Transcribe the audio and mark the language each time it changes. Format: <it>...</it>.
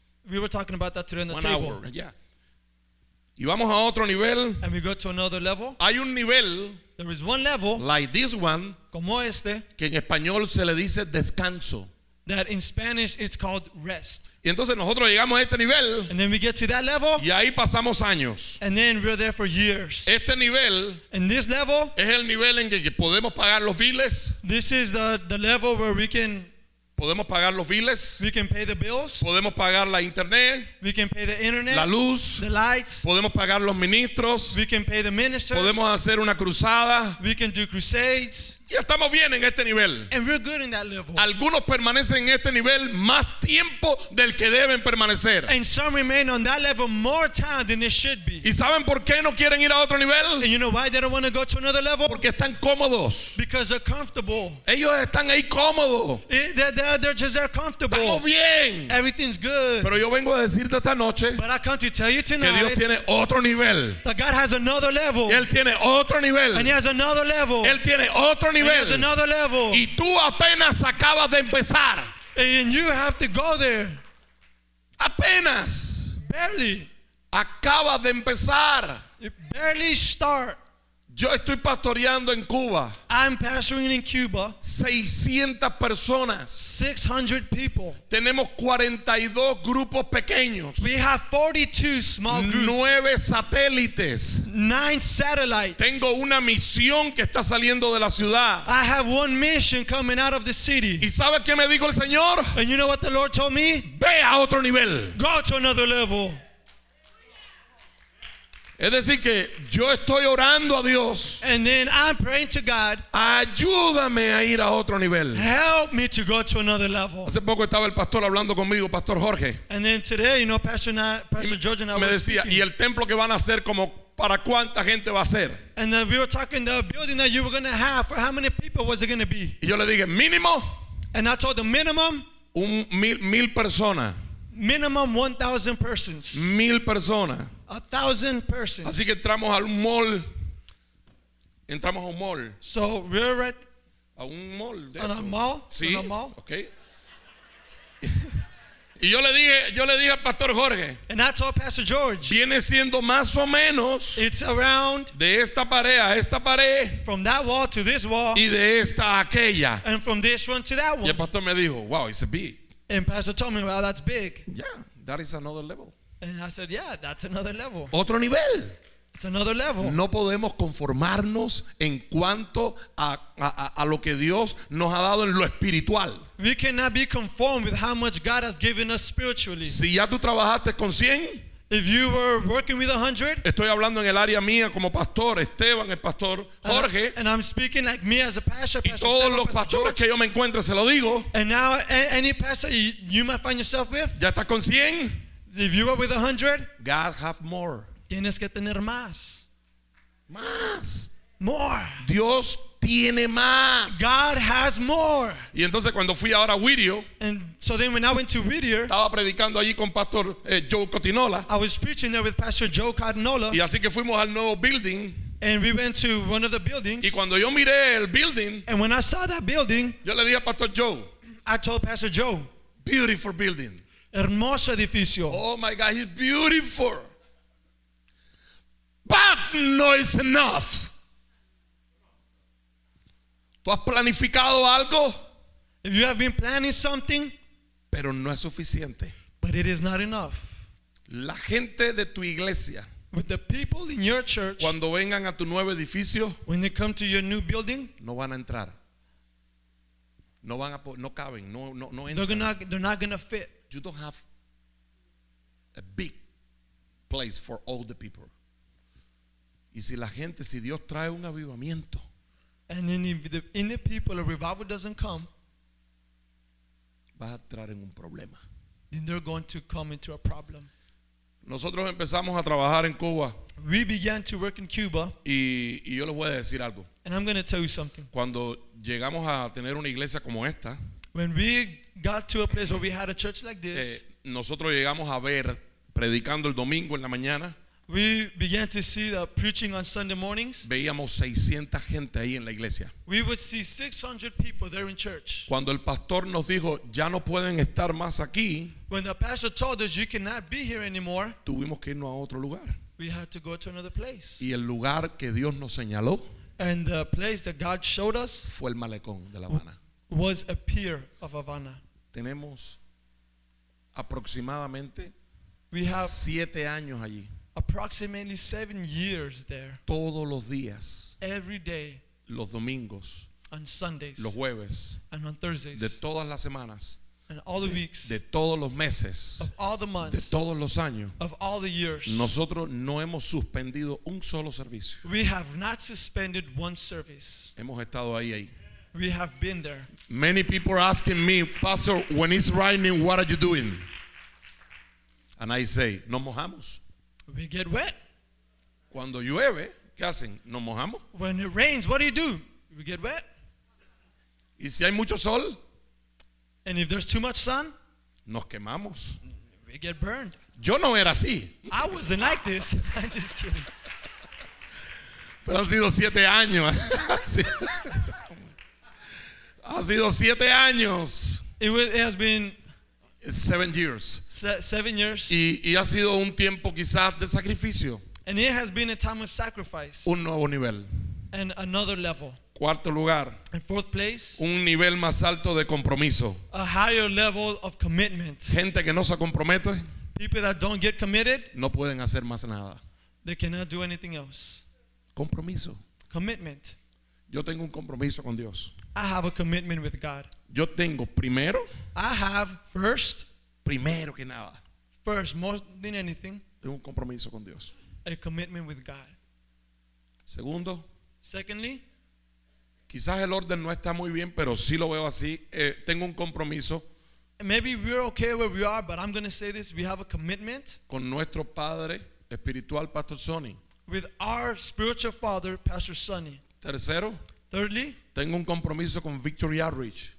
<en>We were talking about that today on the one table. Hour, yeah.</en> <es>Y vamos a otro nivel.</es> <en>And we go to another level.</en> <es>Hay un nivel.</es> <en>There is one level. Like this one.</en> <es>Como este. Que en español se le dice descanso.</es> <en>That in Spanish it's called rest.</en> <es>Y entonces nosotros llegamos a este nivel.</es> <en>And then we get to that level.</en> <es>Y ahí pasamos años.</es> <en>And then we're there for years.</en> <es>Este nivel.</es> <en>And this level.</en> <es>Es el nivel en que podemos pagar los biles.</es> <en>This is the level where we can.</en> <es>Podemos pagar los biles.</es> <en>We can pay the bills.</en> <es>Podemos pagar la internet.</es> <en>We can pay the internet.</en> <es>La luz.</es> <en>The lights.</en> <es>Podemos pagar los ministros.</es> <en>We can pay the ministers.</en> <es>Podemos hacer una cruzada.</es> <en>We can do crusades.</en> <es>Y estamos bien en este nivel.</es> <en>And we're good in that level.</en> <es>Algunos permanecen en este nivel más tiempo del que deben permanecer.</es> <en>And some remain on that level more time than they should be.</en> <es>¿Y saben por qué no quieren ir a otro nivel?</es> <en>And you know why they don't want to go to another level?</en> <es>Porque están cómodos.</es> <en>Because they're comfortable.</en> <es>Ellos están ahí cómodos.</es> <en>They're just there comfortable.</en> <es>Estamos bien.</es> <en>Everything's good.</en> <es>Pero yo vengo a decirte esta noche.</es> <en>But I come to tell you tonight.</en> <es>Que Dios tiene otro nivel.</es> <en>That God has another level.</en> <es>Él tiene otro nivel.</es> <en>And He has another level.</en> <es>Él tiene otro nivel.</es> <en>There's another level.</en> <es>Y tú apenas acabas de empezar.</es> <en>And you have to go there.</en> <es>Apenas.</es> <en>Barely.</en> <es>Acabas de empezar.</es> <en>You barely start.</en> <es>Yo estoy pastoreando en Cuba.</es> <en>I'm pastoring in Cuba.</en> <es>600 personas.</es> <en>600 people.</en> <es>Tenemos 42 grupos pequeños.</es> <en>We have 42 small groups.</en> <es>9 satélites.</es> <en>9 satellites.</en> <es>Tengo una misión que está saliendo de la ciudad.</es> <en>I have one mission coming out of the city.</en> <es>¿Y sabe qué me dijo el Señor?</es> <en>And you know what the Lord told me?</en> <es>Ve a otro nivel.</es> <en>Go to another level.</en> <es>Es decir que yo estoy orando a Dios.</es> <en>And then I'm praying to God.</en> <es>Ayúdame a ir a otro nivel.</es> <en>Help me to go to another level.</en> <es>Hace poco estaba el pastor hablando conmigo, Pastor Jorge.</es> <en>And then today, you know, Pastor George and I</en> <es>me decía,</es> <en>speaking.</en> <es>¿Y el templo que van a hacer como para cuánta gente va a ser?</es> <en>And then we were talking the building that you were going to have, for how many people was it going to be?</en> <es>Y yo le dije, mínimo.</es> <en>And I told the minimum.</en> <es>Mil personas.</es> <en>Minimum 1,000 persons.</en> <es>Mil personas.</es> <en>1,000 persons.</en> <es>Así que entramos al mall. Entramos a un mall.</es> <en>So we're right.</en> <es>A un mall. De a mall. Sí.</es> <en>A mall. Okay.</en> <es>Y yo le dije al Pastor Jorge.</es> <en>And I told Pastor George.</en> <es>Viene siendo más o menos.</es> <en>It's around.</en> <es>De esta pared.</es> <en>From that wall to this wall.</en> <es>Y de esta a aquella.</es> <en>And from this one to that one.</en> <es>Y el pastor me dijo,</es> <en>wow, it's big. And Pastor told me, wow, that's big. Yeah, that is another level. And I said, yeah, that's another level.</en> <es>Otro nivel.</es> <en>It's another level.</en> <es>No podemos conformarnos en cuanto a lo que Dios nos ha dado en lo espiritual.</es> <en>We cannot be conformed with how much God has given us spiritually.</en> <es>Si ya tú trabajaste con 100,</es> <en>if you were working with 100,</en> <es>estoy hablando en el área mía como pastor, Esteban, el pastor Jorge,</es> <en>and I'm speaking like me as a pastor,</en> <es>y todos Esteban, los</es> <en>pastor George,</en> <es>que yo me encuentre, se lo digo.</es> <en>And now any pastor you might find yourself with,</en> <es>ya estás con 100.</es> <en>If you were with 100, God have more.</en> <es>Tienes que tener más. Más.</es> <en>More.</en> <es>Dios tiene más.</es> <en>God has more.</en> <es>Y entonces cuando fui ahora a Whittier,</es> <en>and so then when I went to Whittier,</en> <es>estaba predicando allí con Pastor Joe Cotinola.</es> <en>I was preaching there with Pastor Joe Cotinola.</en> <es>Y así que fuimos al nuevo building.</es> <en>And we went to one of the buildings.</en> <es>Y cuando yo miré el building,</es> <en>and when I saw that building,</en> <es>yo le dije a Pastor Joe,</es> <en>I told Pastor Joe, beautiful building.</en> <es>Hermoso edificio.</es> <en>Oh my God, he's beautiful. But no is enough.</en> <es>¿Tú has planificado algo?</es> <en>If you have been planning something,</en> <es>pero no es suficiente.</es> <en>But it is not enough.</en> <es>La gente de tu iglesia,</es> <en>with the people in your church,</en> <es>cuando vengan a tu nuevo edificio,</es> <en>when they come to your new building,</en> <es>no van a entrar. No van a no caben, no entran.</es> <en>They're not going to fit. You don't have a big place for all the people.</en> <es>Y si la gente, si Dios trae un avivamiento,</es> <en>and then if the in the people a revival doesn't come,</en> <es>va a entrar en un problema.</es> <en>Then they're going to come into a problem.</en> <es>Nosotros empezamos a trabajar en Cuba.</es> <en>We began to work in Cuba.</en> <es>Y yo les voy a decir algo.</es> <en>And I'm going to tell you something.</en> <es>Cuando llegamos a tener una iglesia como esta,</es> <en>when we got to a place where we had a church like this,</en> <es>nosotros llegamos a ver predicando el domingo en la mañana,</es> <en>we began to see the preaching on Sunday mornings.</en> <es>Veíamos 600 gente ahí en la iglesia.</es> <en>We would see 600 people there in church.</en> <es>Cuando el pastor nos dijo, ya no pueden estar más aquí,</es> <en>when the pastor told us you cannot be here anymore,</en> <es>tuvimos que irnos a otro lugar.</es> <en>We had to go to another place.</en> <es>Y el lugar que Dios nos señaló,</es> <en>and the place that God showed us,</en> <es>fue el malecón de La Habana.</es> <en>Was a pier of Havana.</en> <es>tenemos aproximadamente 7 años allí.</es> <en>Approximately 7 years there.</en> <es>Todos los días.</es> <en>Every day.</en> <es>Los domingos.</es> <en>On Sundays.</en> <es>Los jueves.</es> <en>And on Thursdays.</en> <es>De todas las semanas.</es> <en>And all the weeks.</en> <es>De todos los meses.</es> <en>Of all the months.</en> <es>De todos los años.</es> <en>Of all the years.</en> <es>Nosotros no hemos suspendido un solo servicio.</es> <en>We have not suspended one service.</en> <es>Hemos estado ahí.</es> <en>We have been there. Many people are asking me, Pastor, when it's raining, what are you doing? And I say,</en> <es>no mojamos.</es> <en>We get wet.</en> <es>Cuando llueve, ¿qué hacen? ¿No mojamos?</es> <en>When it rains, what do? We get wet.</en> <es>¿Y si hay mucho sol?</es> <en>And if there's too much sun?</en> <es>Nos quemamos.</es> <en>We get burned.</en> <es>Yo no era así.</es> <en>I wasn't like this. I'm just kidding.</en> <es>Pero han sido 7 años. Ha sido 7 años.</es> <en>It has been 7 years. 7 years.</en> <es>Y ha sido un tiempo quizás de sacrificio.</es> <en>And it has been a time of sacrifice.</en> <es>Un nuevo nivel.</es> <en>And another level.</en> <es>Cuarto lugar.</es> <en>And fourth place.</en> <es>Un nivel más alto de compromiso.</es> <en>A higher level of commitment.</en> <es>Gente que no se compromete.</es> <en>People that don't get committed.</en> <es>No pueden hacer más nada.</es> <en>They cannot do anything else.</en> <es>Compromiso.</es> <en>Commitment.</en> <es>Yo tengo un compromiso con Dios.</es> <en>I have a commitment with God.</en> <es>Yo tengo primero.</es> <en>I have first.</en> <es>Primero que nada.</es> <en>First, more than anything.</en> <es>Tengo un compromiso con Dios.</es> <en>A commitment with God.</en> <es>Segundo.</es> <en>Secondly.</en> <es>Quizás el orden no está muy bien, pero sí lo veo así. Tengo un compromiso.</es> <en>Maybe we're okay where we are, but I'm going to say this. We have a commitment.</en> <es>Con nuestro padre espiritual, Pastor Sonny.</es> <en>With our spiritual father, Pastor Sonny.</en> <es>Tercero.</es> <en>Thirdly.</en> <es>Tengo un compromiso con Victory Outreach.</es>